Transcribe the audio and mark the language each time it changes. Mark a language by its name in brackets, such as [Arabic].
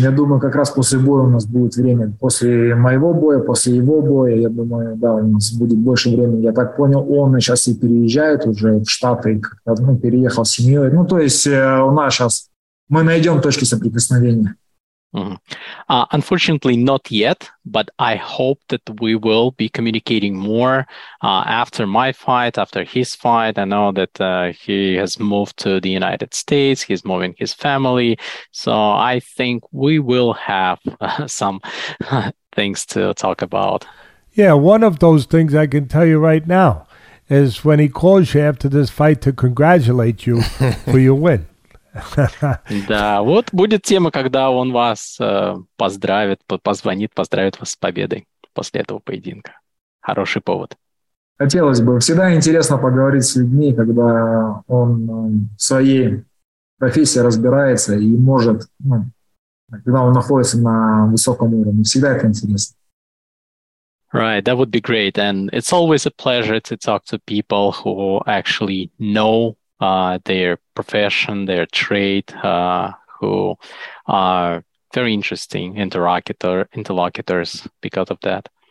[Russian] Я думаю, как раз после боя у нас будет время. После моего боя, после его боя, я думаю, да, у нас будет больше времени. Я так понял, он сейчас и переезжает уже в Штаты, переехал с семьей. Ну, то есть у нас сейчас мы найдем точки соприкосновения. [English] Unfortunately, not yet, but I hope that we will be communicating more after my fight, after his fight. I know that he has moved to the United States, he's moving his family, so I think we will have some things to talk about. Yeah, one of those things I can tell you right now is when he calls you after this fight to congratulate you for your win. [Russian] Да, вот будет тема, когда он вас поздравит, позвонит, поздравит вас с победой после этого поединка. Хороший повод. Хотелось бы. Всегда интересно поговорить с людьми, когда он в своей профессии разбирается и может, когда он находится на высоком уровне. Всегда это интересно. [English] Right, that would be great. And it's always a pleasure to talk to people who actually know their profession, their trade, who are very interesting interlocutors because of that.